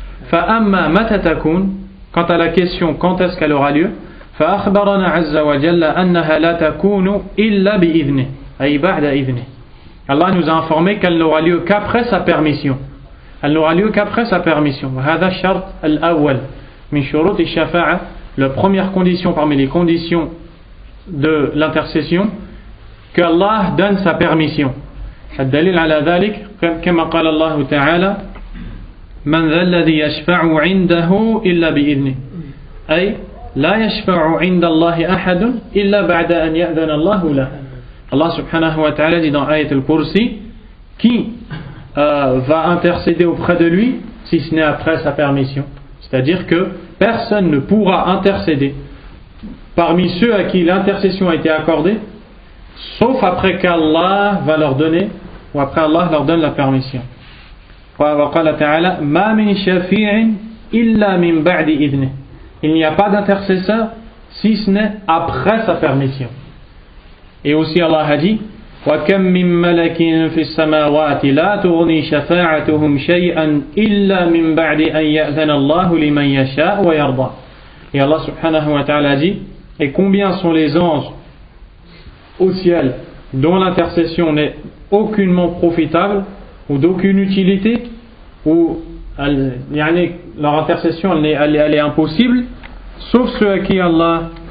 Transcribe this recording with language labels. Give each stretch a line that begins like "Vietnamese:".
Arabic: فَأَمَّا مَتَتَكُونَ,
French: quant à la question quand est-ce qu'elle aura lieu,
Arabic: فَأَخْبَرَنَا عَزَّ وَجَلَّ أَنَّهَا لَا تَكُونُ إِلَّا بِإِذْنِ أي بَعْدَ إِذْنِ,
French: Allah nous a informé qu'elle n'aura lieu qu'après sa permission. Elle n'aura lieu qu'après sa permission.
Arabic: وَهَذَا الشَّرْطَ الْأَوَّلَ مِنْ شُرُوطِ الشَّفَاعَةَ,
French: la première condition parmi les conditions de l'intercession, qu'Allah donne sa permission.
Arabic: الدليل على ذلك كما قال الله تعالى من ذا الذي يشفع عنده إلا بإذنه, أي لا يشفع عند الله أحد إلا بعد أن يأذن الله له. الله سبحانه وتعالى
French: dit dans آية الكرسي qui va intercéder auprès de lui si ce n'est après sa permission, c'est-à-dire que personne ne pourra intercéder parmi ceux à qui l'intercession a été accordée sauf après qu'Allah va leur donner ou après Allah leur donne la permission.
Arabic: وقال تعالى ما من شفيع إلا من بعد إذنه,
French: il n'y a pas d'intercesseur si ce n'est après sa permission. Et aussi Allah a dit
Arabic: وكم من ملك في السماوات لا تغني شفاعتهم شيئا إلا من بعد أن يأذن الله لمن يشاء ويرضى.
French: Et Allah subhanahu wa ta'ala a dit et combien sont les anges au ciel dont l'intercession n'est aucunement profitable ou d'aucune utilité, ou leur intercession elle est impossible sauf ceux à qui Allah